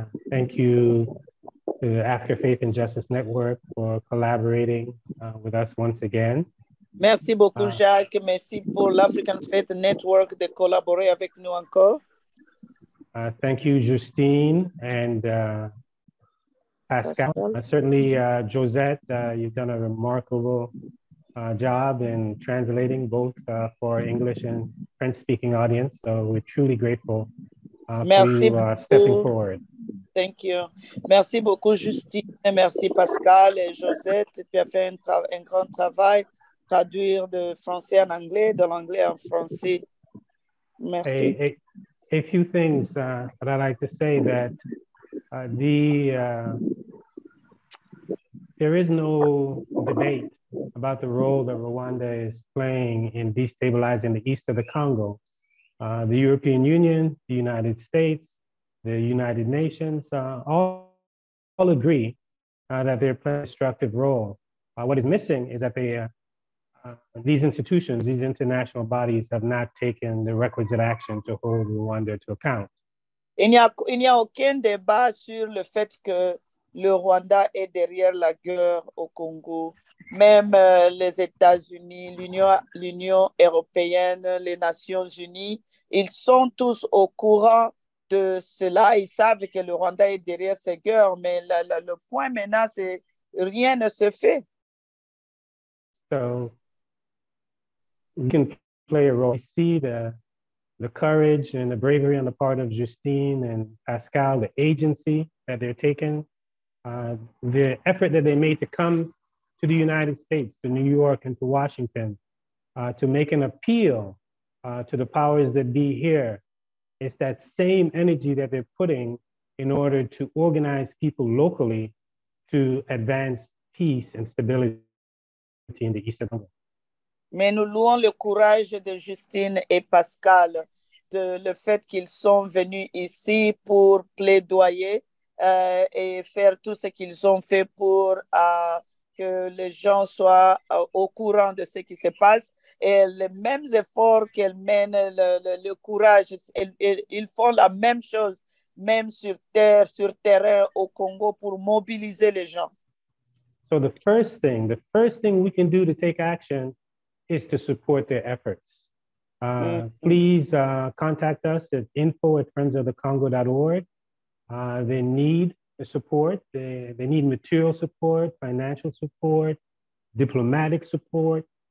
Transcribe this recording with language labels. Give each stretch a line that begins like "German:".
English: Thank you to After Faith and Justice Network for collaborating with us once again.
French: Merci beaucoup, Jacques. Merci pour l'African Faith Network de collaborer avec nous encore.
English: Thank you, Justine and Pascal. Certainly, Josette, you've done a remarkable job in translating both for English and French-speaking audience. So we're truly grateful for you stepping forward. Thank you.
French: Merci beaucoup, Justine. Merci, Pascal et Josette. Tu as fait un grand travail, traduire de français en anglais, de l'anglais en français. Merci.
English: A few things that I'd like to say that there is no debate about the role that Rwanda is playing in destabilizing the east of the Congo. The European Union, the United States, the United Nations all agree that they're playing a destructive role. What is missing is that these institutions, these international bodies, have not taken the requisite action to hold Rwanda to account.
French: Il n'y a aucun débat sur le fait que le Rwanda est derrière la guerre au Congo. Même les États-Unis, l'Union européenne, les Nations unies, ils sont tous au courant de cela. Ils savent que le Rwanda est derrière ces guerres, mais le point maintenant, c'est rien ne se fait.
English: So, we can play a role. We see the courage and the bravery on the part of Justine and Pascal, the agency that they're taking, the effort that they made to come to the United States, to New York and to Washington, to make an appeal to the powers that be here. It's that same energy that they're putting in order to organize people locally to advance peace and stability in the East of the world.
French: Mais nous louons le courage de Justine et Pascal, de le fait qu'ils sont venus ici pour plaidoyer et faire tout ce qu'ils ont fait pour que les gens soient au courant de ce qui se passe. Et les mêmes efforts qu'elles mènent, le courage, ils font la même chose, même sur terre, sur terrain au Congo, pour mobiliser les gens.
English: So the first thing we can do to take action is to support their efforts. Please contact us at info@friendsofthecongo.org. They need the support. They need material support, financial support, diplomatic support.